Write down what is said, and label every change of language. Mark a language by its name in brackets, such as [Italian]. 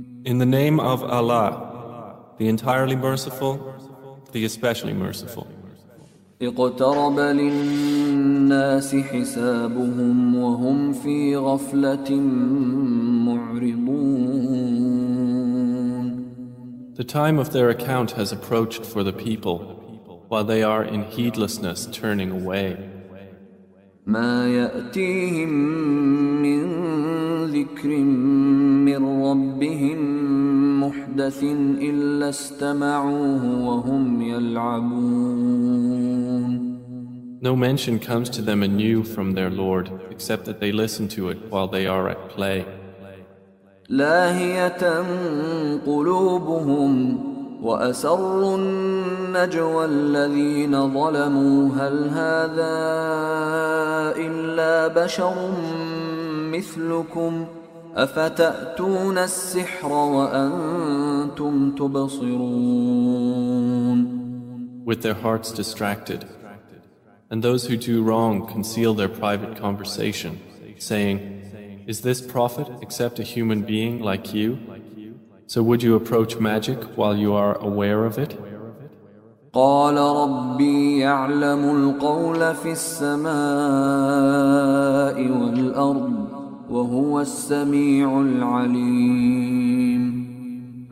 [English] In the name of Allah, the entirely merciful, the especially merciful. [Arabic] اقترب للناس حسابهم وهم في غفلة معرضون. [English] The time of their account has approached for the people, while they are in heedlessness turning away. [Arabic] ما يأتيهم من ذكر من ربهم محدث إلا استمعوه وهم يلعبون. [English] No mention comes to them anew from their Lord, except that they listen to it while they are at play. [Arabic] لاهية قلوبهم وأسروا النجوى الذين ظلموا هل هذا إلا بشر مثلكم أفتأتون السحر وأنتم تبصرون. [English] With their hearts distracted, and those who do wrong conceal their private conversation, saying, is this prophet except a human being like you? So would you approach magic while you are aware of it? [Arabic] قَالَ رَبِّي يَعْلَمُ الْقَوْلَ فِي السَّمَاءِ وَالْأَرْضِ وَهُوَ السَّمِيعُ الْعَلِيمُ.